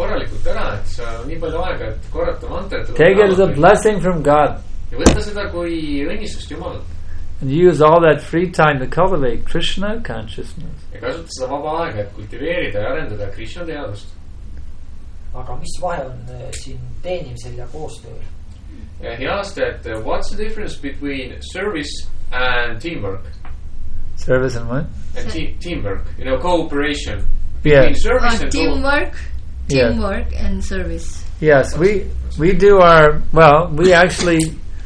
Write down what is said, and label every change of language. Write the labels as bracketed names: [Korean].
[English] Take it as a blessing from God. And use all that free time to cultivate Krishna consciousness. [Estonian] Ja kasuta seda vaba aega, et kultiveerida ja arendada Krishna teadust. Aga mis vahe on siin teenimisel ja koostööl? [English] He asked that, what's the difference between service and teamwork? Service and what? And teamwork, you know, cooperation. Between service and teamwork. Teamwork and service. Yes, we do our, well, we actually...